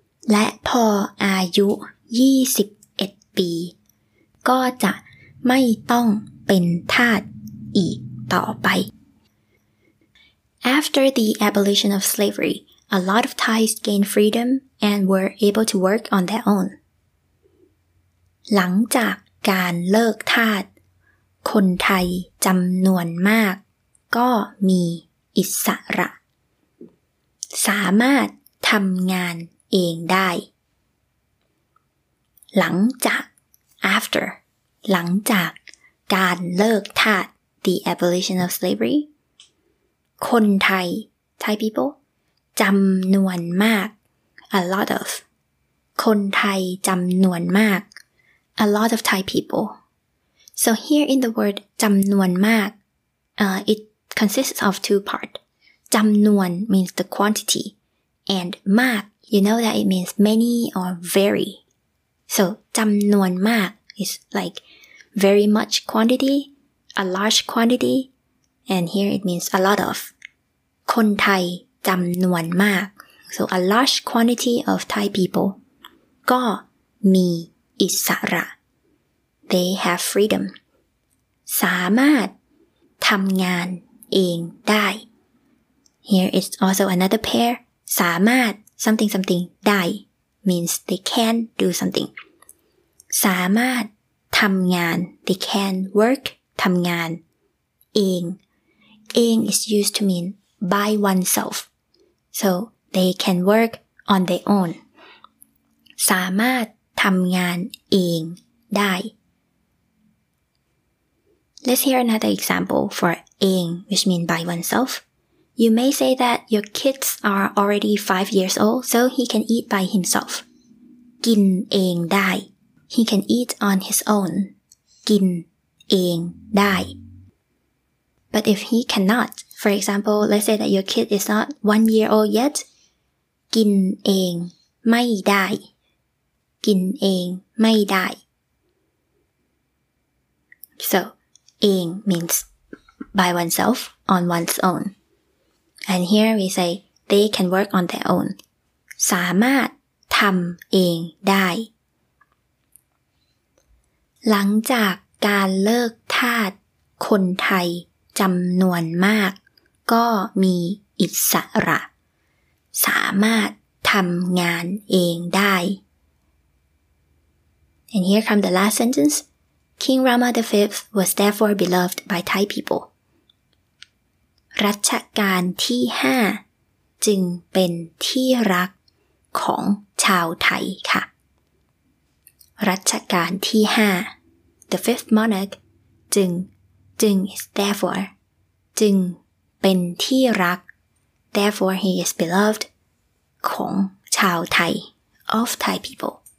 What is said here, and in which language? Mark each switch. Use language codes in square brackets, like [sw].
[th] และพออายุ21ปีก็จะไม่ต้องเป็นทาสอีกต่อไป [en] after the abolition of slavery a lot of Thais gained freedom and were able to work on their own [th] หลังจากการเลิกทาสคนไทยจำนวนมากก็มีอิสระสามารถทำงานเองได้ [en] หลังจาก after [th] หลังจากการเลิกทาส [en] the abolition of slavery คนไทย Thai people จำนวนมาก a lot of [th] คนไทยจำนวนมาก [en] a lot of Thai people So here in the word จำนวนมาก it consists of two parts. จำนวน means the quantity. And มาก you know that it means many or very. So จำนวนมาก is like very much quantity, a large quantity. And here it means a lot of. [th] คนไทยจำนวนมาก [en] so a large quantity of Thai people, [th] ก็มีอิสระ [en] they have freedom, [th] สามารถทำงานเองได้ [en] here is also another pair, สามารถ something something ได้ means they can do something, [th] สามารถทำงาน [en] they can work ทำงานเองเอง is used to mean by oneself, so they can work on their own. [th] สามารถทำงานเองได้ [en] Let's hear another example for "เอง," which means by oneself. You may say that your kids are already 5 years old, so he can eat by himself. [th] กินเองได้ [en] He can eat on his own. [th] กินเองได้ [en] But if he cannot, for example, let's say that your kid is not 1 year old yet, [th] กินเองไม่ได้กินเองไม่ได้ [en] So, เอง means by oneself, on one's own. And here we say, they can work on their own. [th] สามารถทำเองได้หลังจากการเลิกทาสคนไทยจำนวนมากก็มีอิสระสามารถทำงานเองได้ [en] And here come the last sentence. King Rama the Fifth was therefore beloved by Thai people. [th] รัชกาลที่ห้าจึงเป็นที่รักของชาวไทยค่ะรัชกาลที่ห้า [en] the fifth monarch จึง is therefore [th] จึงเป็นที่รัก [en] therefore he is beloved [th] ของชาวไทย [en] of Thai people